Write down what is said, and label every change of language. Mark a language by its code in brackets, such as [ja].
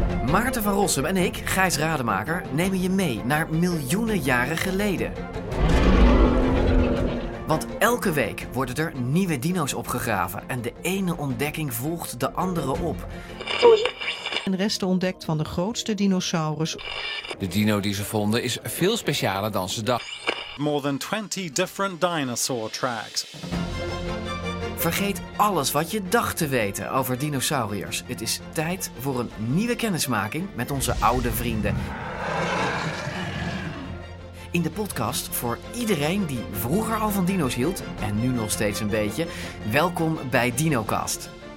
[nl] Maarten van Rossum en ik, Gijs Rademaker, nemen je mee naar miljoenen jaren geleden. Want elke week worden er nieuwe dino's opgegraven en de ene ontdekking volgt de andere op. En resten ontdekt van de grootste dinosaurus. De dino die ze vonden is veel specialer dan ze dachten. [en] More than 20 different dinosaur tracks. [nl] Vergeet alles wat je dacht te weten over dinosauriërs. Het is tijd voor een nieuwe kennismaking met onze oude vrienden. In de podcast voor iedereen die vroeger al van dino's hield en nu nog steeds een beetje. Welkom bij DinoCast.